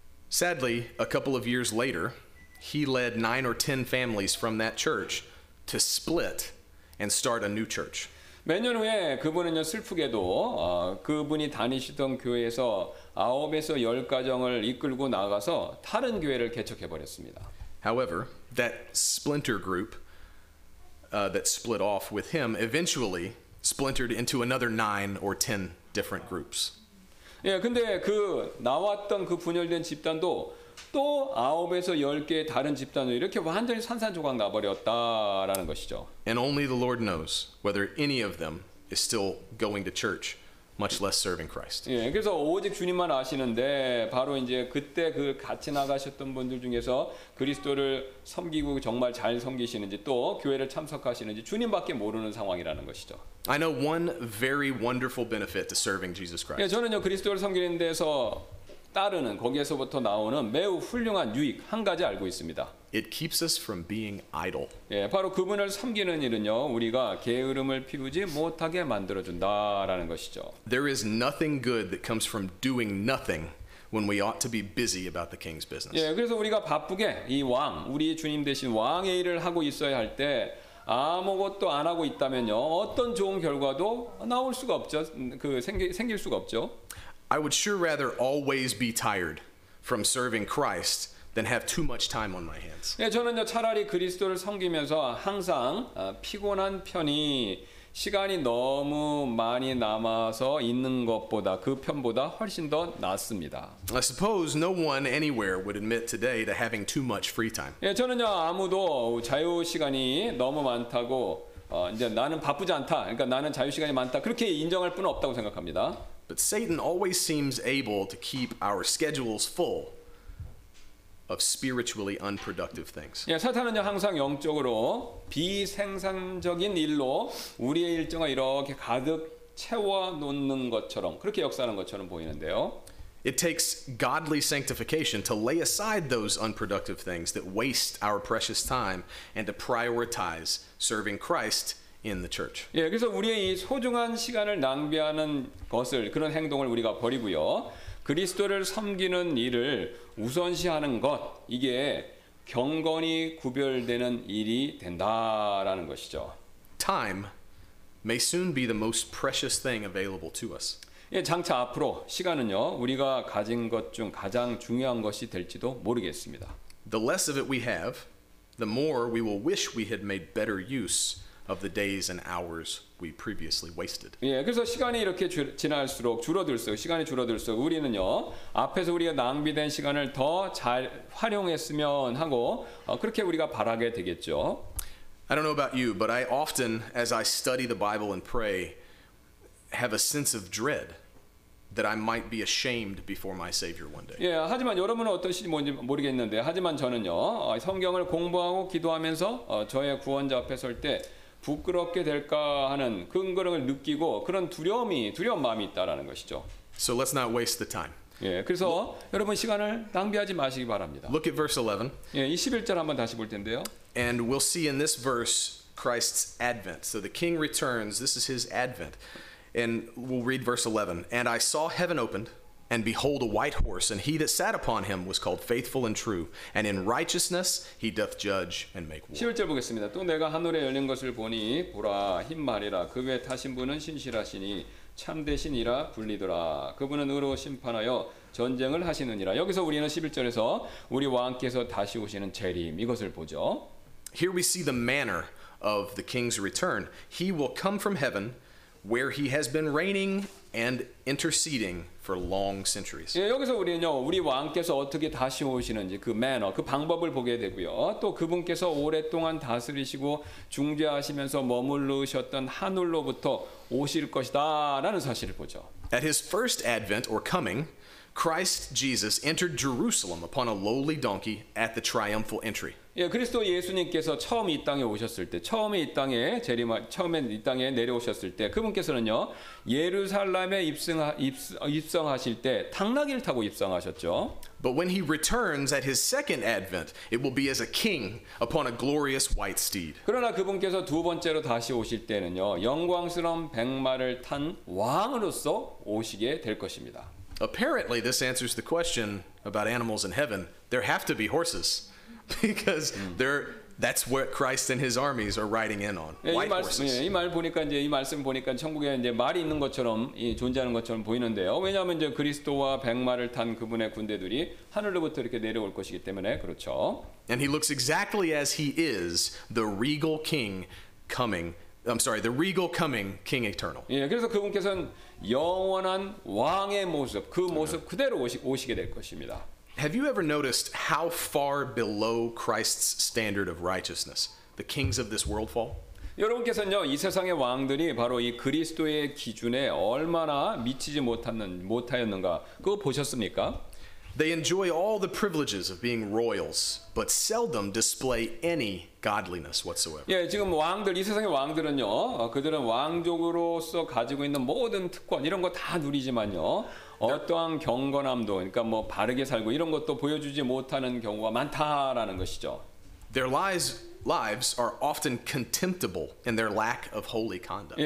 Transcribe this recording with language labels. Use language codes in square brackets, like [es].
[en] Sadly, a couple of years later, he led 9 or 10 families from that church to split and start a new church. [ko] 몇 년 후에 그분은요 슬프게도 그분이 다니시던 교회에서 9에서 10 가정을 이끌고 나가서 다른 교회를 개척해 버렸습니다. [en] However, that splinter group that split off with him eventually splintered into another 9 or 10 different groups. [ko] 예, 근데 그 나왔던 그 분열된 집단도 또 9에서 10개의 다른 집단으로 이렇게 완전히 산산조각 나버렸다라는 것이죠. [en] And only the Lord knows whether any of them is still going to church, much less serving Christ. [ko] 예, 그래서 오직 주님만 아시는데 바로 이제 그때 그 같이 나가셨던 분들 중에서 그리스도를 섬기고 정말 잘 섬기시는지 또 교회를 참석하시는지 주님밖에 모르는 상황이라는 것이죠. [en] I know one very wonderful benefit to serving Jesus Christ. [ko] 예, 저는요 그리스도를 섬기는 데서 따르는 거기에서부터 나오는 매우 훌륭한 유익 한 가지 알고 있습니다. [en] It keeps us from being idle. [ko] 예, 바로 그분을 섬기는 일은요, 우리가 게으름을 피우지 못하게 만들어 준다라는 것이죠. [en] There is nothing good that comes from doing nothing when we ought to be busy about the king's business. [ko] 예, 그래서 우리가 바쁘게 이 왕, 우리 주님 되신 왕의 일을 하고 있어야 할 때 아무것도 안 하고 있다면요, 어떤 좋은 결과도 나올 수가 없죠. 그 생길 수가 없죠. [en] I would sure rather always be tired from serving Christ than have too much time on my hands. [ko] 예, 저는요 차라리 그리스도를 섬기면서 항상 피곤한 편이 시간이 너무 많이 남아서 있는 것보다 그 편보다 훨씬 더 낫습니다. [en] I suppose no one anywhere would admit today to having too much free time. [ko] 예, 저는요 아무도 자유 시간이 너무 많다고 이제 나는 바쁘지 않다. 그러니까 나는 자유 시간이 많다. 그렇게 인정할 뿐 없다고 생각합니다. [en] But Satan always seems able to keep our schedules full of spiritually unproductive things. [ko] 예, 사탄은요 항상 영적으로 비생산적인 일로 우리의 일정을 이렇게 가득 채워 놓는 것처럼 그렇게 역사하는 것처럼 보이는데요. [en] It takes godly sanctification to lay aside those unproductive things that waste our precious time and to prioritize serving Christ. In the church. [ko] 예, 그래서 우리의 이 소중한 시간을 낭비하는 것을 그런 행동을 우리가 버리고요. 그리스도를 섬기는 일을 우선시하는 것 이게 경건이 구별되는 일이 된다라는 것이죠. [en] Time may soon be the most precious thing available to us. [ko] 예, 장차 앞으로 시간은요. 우리가 가진 것 중 가장 중요한 것이 될지도 모르겠습니다. [en] The less of it we have, the more we will wish we had made better use of the days and hours we previously wasted. [ko] 예, 그래서 시간이 이렇게 지날수록 줄어들수록 시간이 줄어들수록 우리는요 앞에서 우리가 낭비된 시간을 더 잘 활용했으면 하고 그렇게 우리가 바라게 되겠죠. [en] I don't know about you, but I often, as I study the Bible and pray, have a sense of dread that I might be ashamed before my Savior one day. [ko] 예, 하지만 여러분은 어떠신지 모르겠는데 하지만 저는요 성경을 공부하고 기도하면서 저의 구원자 앞에 설 때 부끄럽게 될까 하는 그런 느끼고 그런 두려운 마음이 있다라는 것이죠. [en] So let's not waste the time. [ko] 예, 그래서 여러분 시간을 낭비하지 마시기 바랍니다. [en] Look at verse 11. [ko] 예, 21절 한번 다시 볼 텐데요. [en] And we'll see in this verse Christ's advent. So the king returns. This is his advent. And we'll read verse 11. And I saw heaven opened, and behold a white horse, and he that sat upon him was called faithful and true, and in righteousness he doth judge and make war. [ko] 11절 보겠습니다. 또 내가 하늘에 열린 것을 보니 보라 흰 말이라 그 위에 타신 분은 신실하시니 참되시니라 불리더라. 그분은 의로 심판하여 전쟁을 하시느니라. 여기서 우리는 11절에서 우리 왕께서 다시 오시는 재림 이것을 보죠. [en] Here we see the manner of the king's return. He will come from heaven where he has been reigning and interceding for long centuries. [ko] 예, 여기서 우리는요, 우리 왕께서 어떻게 다시 오시는지 그 매너, 그 방법을 보게 되고요. 또 그분께서 오랫동안 다스리시고 중재하시면서 머물러셨던 하늘로부터 오실 것이다라는 사실을 보죠. [en] At his first advent or coming, Christ Jesus entered Jerusalem upon a lowly donkey at the triumphal entry. [ko] 예, 그리스도 예수님께서 처음 이 땅에 오셨을 때, 처음에 이 땅에 재림할, 처음에 이 땅에 내려오셨을 때, 그분께서는요 예루살렘에 입성하실 때 당나귀를 타고 입성하셨죠. [en] But when he returns at his second advent, it will be as a king upon a glorious white steed. [ko] 그러나 그분께서 두 번째로 다시 오실 때는요 영광스러운 백마를 탄 왕으로서 오시게 될 것입니다. [en] Apparently, this answers the question about animals in heaven. There have to be horses. Because that's what Christ and his armies are riding in on. White [ko] 이 말씀, 예, 이 말 보니까 이제 이 말씀 보니까 천국에 이제 말이 있는 것처럼 이 존재하는 것처럼 보이는데요. 왜냐하면 이제 그리스도와 백마를 탄 그분의 군대들이 하늘로부터 이렇게 내려올 것이기 때문에 그렇죠. [en] And he looks exactly as he is, the regal king coming. I'm sorry, the regal coming king eternal. [ko] 예, 그래서 그분께서는 영원한 왕의 모습, 그 모습 그대로 오시게 될 것입니다. [en] Have you ever noticed how far below Christ's standard of righteousness the kings of this world fall? [ko] 여러분께서는요, 이 세상의 왕들이 바로 이 그리스도의 기준에 얼마나 미치지 못하였는가 그거 보셨습니까? [en] They enjoy all the privileges of being royals, but seldom display any godliness whatsoever. [ko] 예, 지금 왕들, 이 세상의 왕들은요, 그들은 왕족으로서 가지고 있는 모든 특권 이런 거 다 누리지만요. 어떠한 경건함도, 그러니까 뭐 바르게 살고 이런 것도 보여주지 못하는 경우가 많다라는 것이죠. [en] Their lives are often contemptible in their lack of holy conduct.